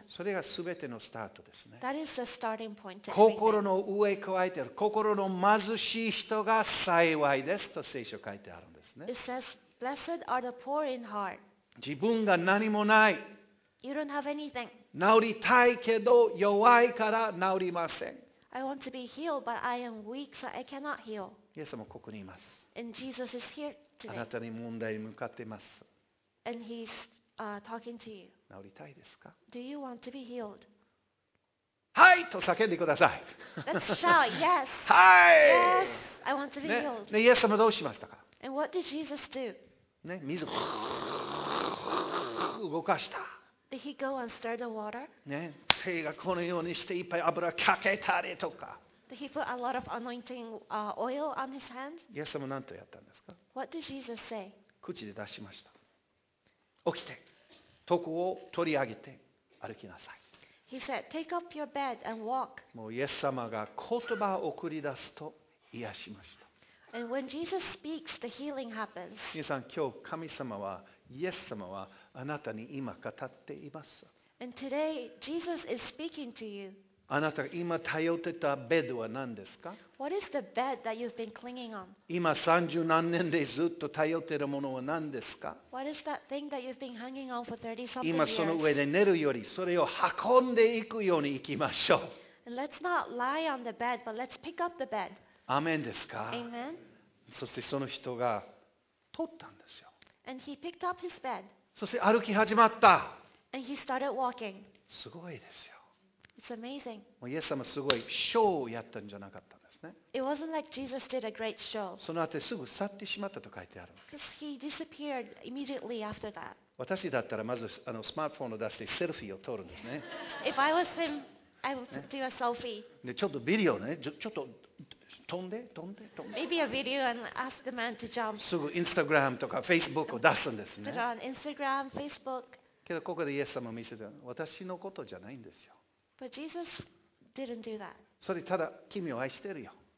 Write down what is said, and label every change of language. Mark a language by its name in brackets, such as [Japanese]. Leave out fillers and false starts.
[Japanese] それが全てのスタートですね。 [English] That is the starting point to everything. [Japanese] 心の飢え渇いている、心の貧しい人が幸いですと聖書書いてあるんですね。 [English] It says, blessed are the poor in heart. [Japanese] 自分が何もない。 [English] You don't have anything. [Japanese] 治りたいけど弱いから治りません。 [English] I want to be healed, but I am weak, so I cannot heal. [Japanese] イエス様もここにいます。 [English] And Jesus is here today. [Japanese] あなたに問題に向かっています。 [English] And he's talking to you. [Japanese] 治りたいですか? [English] Do you want to be healed? [Japanese] はいと叫んでください。 [English] Let's shout, yes. [Japanese] はい。 [English] Yes, I want to be healed. [Japanese] ね、イエス様どうしましたか? [English] And what did Jesus do? [Japanese] ね、水を動かした。 [English] Did he go and stir the water? [Japanese] ね、手がこのようにしていっぱい油かけたりとか。 [English] Did he put a lot of anointing oil on his hands? [Japanese] イエス様何とやったんですか? [English] What did Jesus say? [Japanese] 口で出しました。起きて、床を取り上げて歩きなさい。 [English] He said, take up your bed and walk. [Japanese] もうイエス様が言葉を送り出すと癒しました。 [English] And when Jesus speaks, the healing happens. [Japanese] 皆さん、今日神様は、イエス様はあなたに今語っています。 [English] And today, Jesus is speaking to you. [Japanese] あなたが今頼ってたベッドは何ですか? [English] What is the bed that you've been clinging on? [Japanese] 今三十何年でずっと頼ってるものは何ですか? [English] What is that thing that you've been hanging on for 30 something years? [Japanese] 今その上で寝るより、それを運んでいくように行きましょう。 [English] And let's not lie on the bed, but let's pick up the bed. [Japanese] アメンですか? [English] Amen. [Japanese] そしてその人が取ったんですよ。 [English] And he picked up his bed. [Japanese] そして歩き始まった。 [English] And he started walking. [Japanese] すごいですよ。 [English] It's amazing. [Japanese] もうイエス様すごいショーをやったんじゃなかったんですね。 [English] It wasn't like Jesus did a great show. [Japanese] その後すぐ去ってしまったと書いてある。 [English] Because he disappeared immediately after that. [Japanese] 私だったらまずスマートフォンを出してセルフィーを撮るんですね。 [English] If I was him, I would do a selfie. [Japanese] ね、ちょっとビデオね、ちょっと飛んで。 [English] Maybe a video and ask the man to jump. [Japanese] すぐインスタグラムとかフェイスブックを出すんですね。 [English] Put on Instagram, Facebook. [Japanese] けどここでイエス様を見せて、私のことじゃないんですよ。 [English] But Jesus didn't do that. [Japanese] それただ君を愛してるよ。